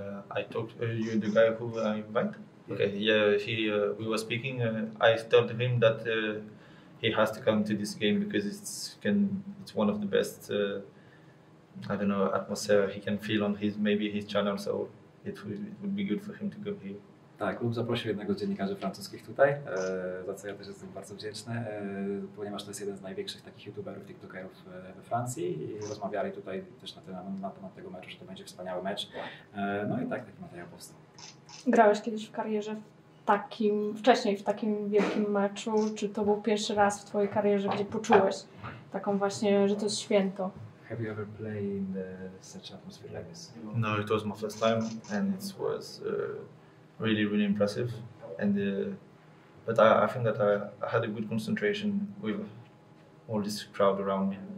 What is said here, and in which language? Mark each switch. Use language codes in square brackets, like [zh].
[en] I talked to you, the guy who I invited. Okay, we were speaking. I told him that he has to come to this game because it's one of the best, I don't know, atmosphere he can feel on his channel, so it would be good for him to go here. [pl] Tak, Lub zaprosił jednego z dziennikarzy francuskich tutaj, za co ja też jestem bardzo wdzięczny, ponieważ to jest jeden z największych takich youtuberów, tiktokerów we Francji i rozmawiali tutaj też na temat tego meczu, że to będzie wspaniały mecz. No i tak, taki materiał powstał. Grałeś kiedyś w karierze wcześniej w takim wielkim meczu, czy to był pierwszy raz w twojej karierze, gdzie poczułeś taką właśnie, że to jest święto? [en] Have you ever played in such atmosphere like this? No, it was my first time and it was really, really impressive, and but I think that I had a good concentration with all this crowd around me.